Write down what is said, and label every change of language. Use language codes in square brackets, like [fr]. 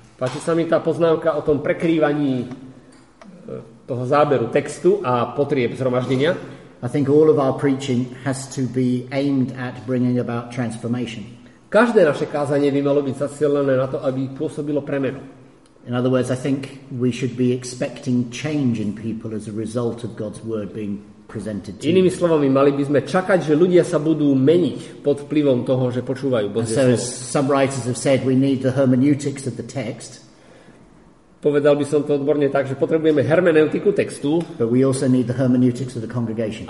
[sk] Páči sa mi tá poznámka o tom prekrývaní toho záberu textu a potrieb zhromaždenia. [en] I think all of our preaching has to be aimed at bringing about transformation. [sk] Každé naše kázanie by malo byť zacielené na to, aby pôsobilo premenu. [en] In other words, I think we should be expecting change in people as a result of God's word being presented to them. [sk] Inými slovami, mali by sme čakať, že ľudia sa budú meniť pod vplyvom toho, že počúvajú Božie slovo. [en] And so some writers have said we need the hermeneutics of the text. [sk] Povedal by som to odborne tak, že potrebujeme hermeneutiku textu. [en] But we also need the hermeneutics of the congregation.